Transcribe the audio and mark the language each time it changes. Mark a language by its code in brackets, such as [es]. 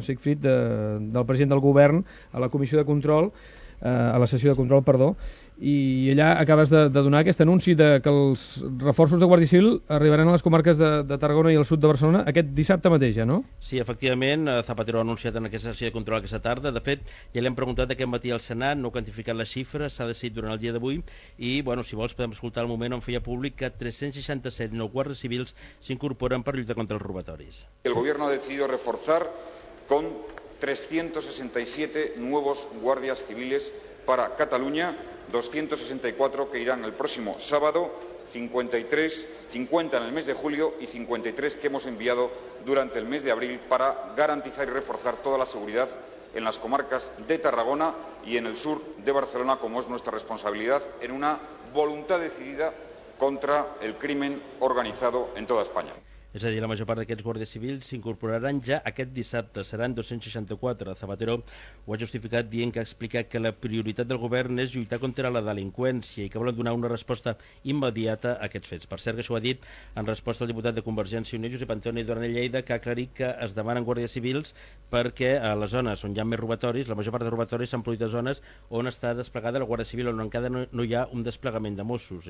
[ca] Siegfried, del president del govern a la comissió de control, a la sessió de control, perdó, i allà acabes de donar aquest anunci de que els reforços de Guàrdia Civil arribaran a les comarques de Tarragona i al sud de Barcelona aquest dissabte mateix, no? Sí, efectivament, Zapatero ha anunciat en aquesta sessió de control aquesta tarda. De fet, ja l'hem preguntat aquest matí al Senat, no ha quantificat la xifra, s'ha decidit durant el dia d'avui, i, bueno, si vols, podem escoltar el moment on feia públic que 367 nou guàrdies civils s'incorporen per lluitar contra els robatoris. El govern ha decidit reforçar [es] con 367 nuevos guardias civiles para Cataluña, 264 que irán el próximo sábado, 53, 50 en el mes de julio y 53 que hemos enviado durante el mes de abril para garantizar y reforzar toda la seguridad en las comarcas de Tarragona y en el sur de Barcelona, como es nuestra responsabilidad, en una voluntad decidida contra el crimen organizado en toda España. [ca] És a dir, la major part d'aquests guàrdies civils s'incorporaran ja aquest dissabte, seran 264. Zapatero ho ha justificat dient que ha explicat que la prioritat del govern és lluitar contra la delinqüència i que volen donar una resposta immediata a aquests fets. Per cert, que això ho ha dit en resposta al diputat de Convergència i Unió, Josep Antoni Duran i Lleida, que ha aclarit que es demanen guàrdies civils perquè a les zones on hi ha més robatoris, la major part de robatoris s'han produït a zones on està desplegada la Guàrdia Civil, on encara no hi ha un desplegament de Mossos.